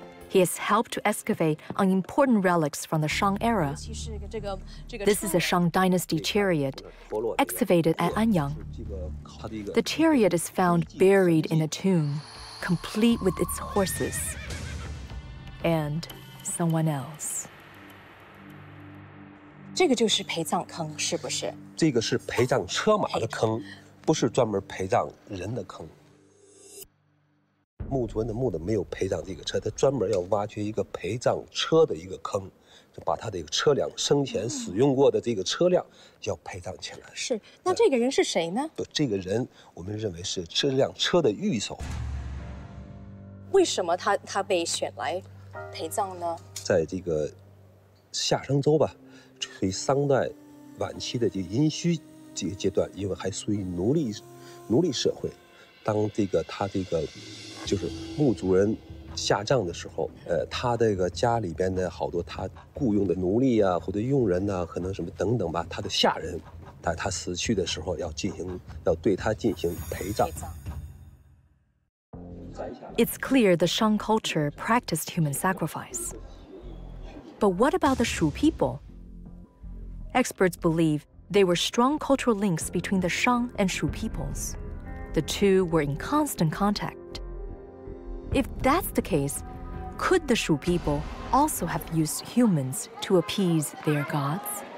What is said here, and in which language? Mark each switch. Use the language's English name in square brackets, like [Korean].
[English] He has helped to excavate on important relics from the Shang era. This is a Shang Dynasty chariot excavated at Anyang. The chariot is found buried in a tomb, complete with its horses and someone else. [Chinese] 这个就是陪葬坑，是不是？这个是陪葬车马的坑，不是专门陪葬人的坑。墓主人的墓的没有陪葬这个车，他专门要挖掘一个陪葬车的一个坑，就把他的车辆生前使用过的这个车辆要陪葬起来。是，那这个人是谁呢？对，这个人我们认为是这辆车的御手。为什么他被选来陪葬呢？在这个夏商周吧。处于商代晚期的这殷墟这个阶段，因为还属于奴隶社会，当这个他这个就是墓主人下葬的时候，他这个家里边的好多他雇佣的奴隶啊，或者佣人呐、啊，可能什么等等吧，他的下人，在他死去的时候要对他进行陪葬。 [English] It's clear the Shang culture practiced human sacrifice, but what about the Shu people? Experts believe there were strong cultural links between the Shang and Shu peoples. The two were in constant contact. If that's the case, could the Shu people also have used humans to appease their gods?